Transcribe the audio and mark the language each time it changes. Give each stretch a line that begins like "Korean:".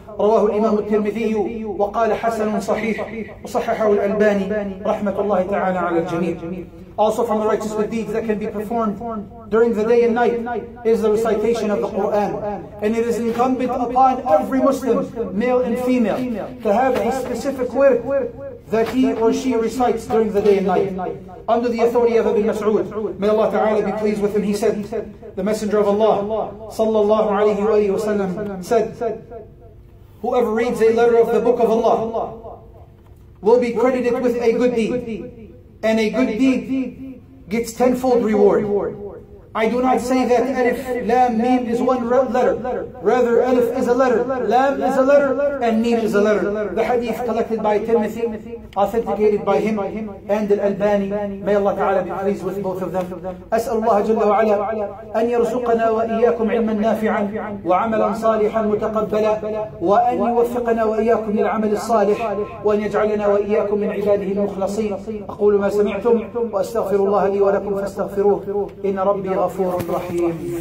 Arabic: رواه الإمام الترمذي وقال حسن صحيح، وصححه الألباني رحمة الله تعالى على الجميع.
English: Also from the righteous good deeds that can be performed during the day and night is the recitation of the Quran. And it is incumbent upon every Muslim, male and female, to have a specific wird that he or she recites during the day and night. Under the authority of Ibn Mas'ud, may Allah Ta'ala be pleased with him, he said, the Messenger of Allah, sallallahu alayhi wa sallam, said, whoever reads a letter of the book of Allah will be credited with a good deed. And a good deed gets tenfold reward. I do not say that alif, lam, meem is one letter. Rather, alif is a letter, lam is a letter, and meem is a letter. The hadith collected by Timothy, authenticated by him, and al-Albani. May Allah Ta'ala be pleased with both of them.
Arabic: أسأل الله جل وعلا أن يرزقنا وإياكم علما نافعا وعملا صالحا متقبلا، وأن يوفقنا وإياكم للعمل الصالح، وأن يجعلنا وإياكم من عباده المخلصين. أقول ما سمعتم وأستغفر الله لي ولكم فاستغفروه إن ربي غفور رحيم.